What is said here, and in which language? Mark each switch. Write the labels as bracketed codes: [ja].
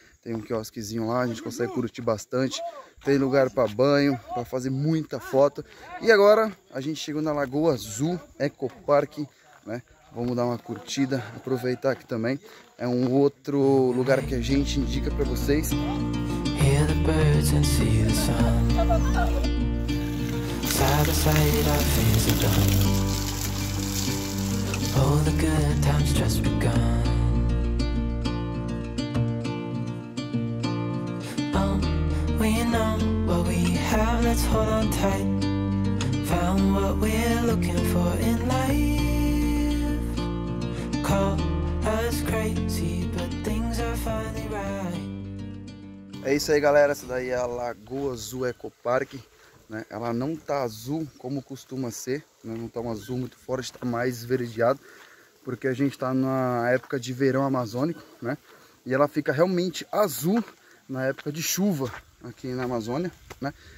[pt] Tem um quiosquezinho lá, a gente consegue curtir bastante, tem lugar para banho, para fazer muita foto. E agora a gente chegou na Lagoa Azul Eco Park, né? Vamos dar uma curtida, aproveitar aqui também. É um outro lugar que a gente indica para vocês. [en] Hear the birds and see the sun. Side by side, our fears are done. Oh, the good times just begun. Oh, we know what we have, let's hold on tight. Found what we're looking for in life. Call us crazy, but things are finally right. [pt] É isso aí, galera, essa daí é a Lagoa Azul Eco Park, né? Ela não tá azul como costuma ser, né? Não tá um azul muito forte, está mais esverdeado, porque a gente está na época de verão amazônico, né? E ela fica realmente azul na época de chuva aqui na Amazônia, né?